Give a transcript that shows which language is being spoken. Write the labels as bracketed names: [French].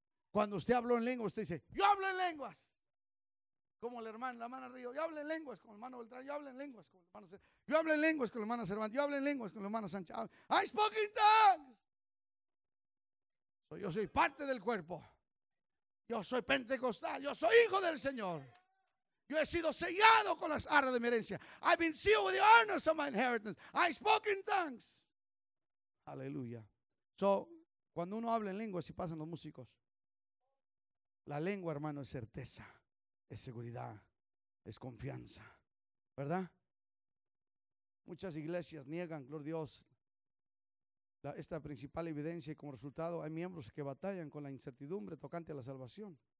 [Spanish] Cuando usted habló en lenguas, usted dice, yo hablo en lenguas. Como el hermano, la hermana Río, yo hablo en lenguas con el hermano Beltrán, yo hablo en lenguas con el hermano Sánchez. Yo hablo en lenguas con el hermano Cervantes, yo hablo en lenguas con el hermano Sánchez. [English] I spoke in tongues. [Spanish] So yo soy parte del cuerpo. Yo soy pentecostal, yo soy hijo del Señor. Yo he sido sellado con las arras de mi herencia. [English] I've been sealed with the earnest of my inheritance. I spoke in tongues. Aleluya. [Spanish] So, cuando uno habla en lenguas y pasan los músicos, la lengua, hermano, es certeza. Es seguridad, es confianza, ¿verdad? Muchas iglesias niegan, gloria a Dios, esta principal evidencia y como resultado hay miembros que batallan con la incertidumbre tocante a la salvación.